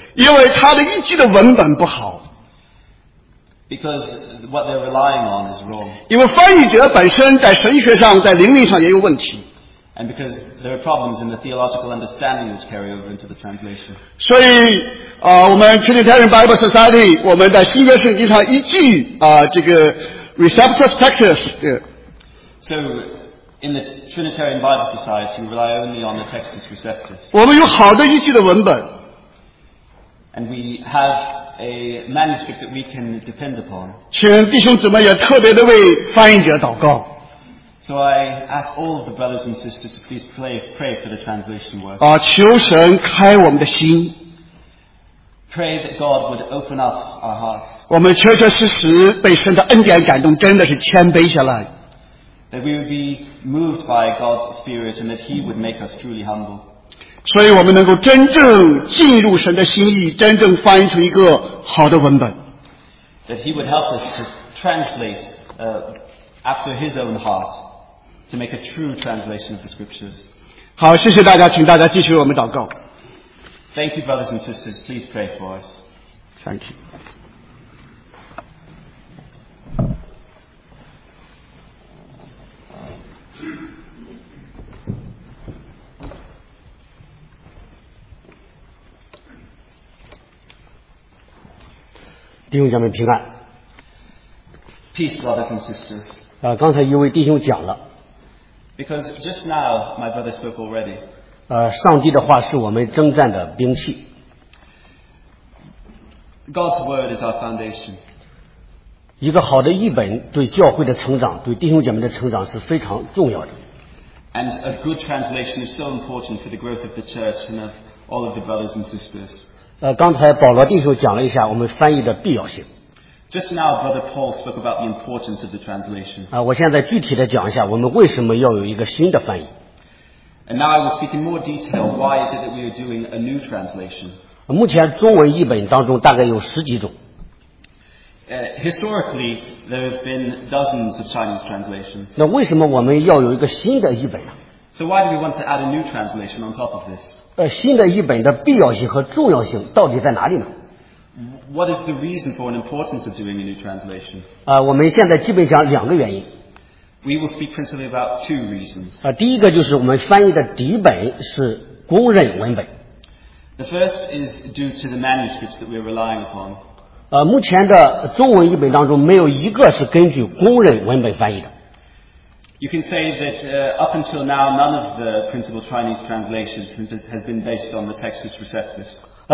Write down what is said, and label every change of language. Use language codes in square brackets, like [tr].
[zh] 因为它的一句的文本不好。 [en] Because what they're relying on is wrong. [zh] 因为翻译者本身在神学上，在灵命上也有问题。 [en] And because there are problems in the theological understanding which carry over into the translation. [zh] 所以，我们 Trinitarian Bible Society， 我们在新约圣经上一句这个。 [la] Receptus textus. [en] So, in the Trinitarian Bible Society, we rely only on the textus receptus. [zh] 我们有好的依据的文本。 [en] And we have a manuscript that we can depend upon. [zh] 请弟兄姊妹也特别的为翻译者祷告。 [en] So I ask all of the brothers and sisters to please pray for the translation work. [zh] 求神开我们的心。 [en] Pray that God would open up our hearts. [zh] 我们确确实实被神的恩典感动，真的是谦卑下来。 [en] That we would be moved by God's Spirit and that He would make us truly humble. [zh] 所以我们能够真正进入神的心意，真正翻译出一个好的文本。 [en] that he would help us to translate after his own heart, to make a true translation of the scriptures. [zh] 好, 谢谢大家, 请大家继续我们祷告。 [en] Thank you, brothers and sisters. Please pray for us. Thank you. Peace, brothers and sisters. [zh] 刚才一位弟兄讲了, [en] because just now my brother spoke already. [zh] 上帝的话是我们征战的兵器。 [en] God's word is our foundation. [zh] 一个好的译本对教会的成长，对弟兄姐妹的成长是非常重要的。 [en] And a good translation is so important for the growth of the church and of all of the brothers and sisters. [zh] 刚才保罗弟兄讲了一下我们翻译的必要性。 [en] Just now, Brother Paul spoke about the importance of the translation. [zh] 我现在具体的讲一下我们为什么要有一个新的翻译。 [en] And now I will speak in more detail why is it that we are doing a new translation. [zh] 目前中文译本当中大概有十几种。 [en] Historically, there have been dozens of Chinese translations. [zh] 那为什么我们要有一个新的译本呢？ [en] So why do we want to add a new translation on top of this? [zh] 新的译本的必要性和重要性到底在哪里呢？ [en] What is the reason for an importance of doing a new translation? [zh] 我们现在基本讲两个原因。 [en] We will speak principally about two reasons. [zh] 第一个就是我们翻译的底本是公认文本。 [en] The first is due to the manuscripts that we are relying upon. [zh] 目前的中文译本当中没有一个是根据公认文本翻译的。 [en] You can say that up until now, none of the principal Chinese translations has been based on the Textus Receptus.